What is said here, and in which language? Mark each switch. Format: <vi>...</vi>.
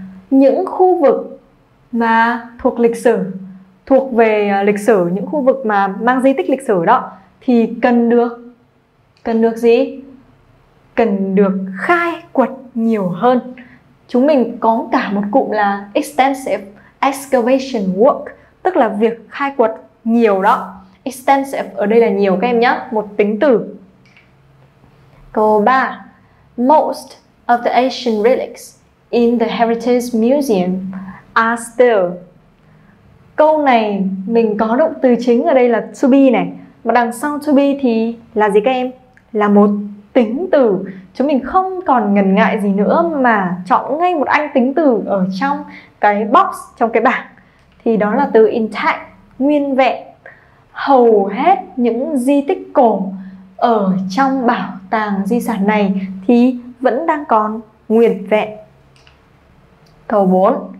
<vi>Những khu vực mà thuộc lịch sử, thuộc về lịch sử, những khu vực mà mang di tích lịch sử đó thì cần được gì? Cần được khai quật nhiều hơn. Chúng mình có cả một cụm là</vi> <en>extensive excavation work,</en> <vi>tức là việc khai quật nhiều đó. Extensive ở đây là nhiều các em nhé, một tính từ. Câu 3.</vi> <en>Most of the ancient relics in the Heritage Museum are still.</en> <vi>Câu này mình có động từ chính ở đây là to be này. Mà đằng sau to be thì là gì các em? Là một tính từ. Chúng mình không còn ngần ngại gì nữa mà chọn ngay một anh tính từ ở trong cái box, trong cái bảng. Thì đó là từ intact, nguyên vẹn. Hầu hết những di tích cổ ở trong bảo tàng di sản này thì vẫn đang còn nguyên vẹn. Câu 4.</vi>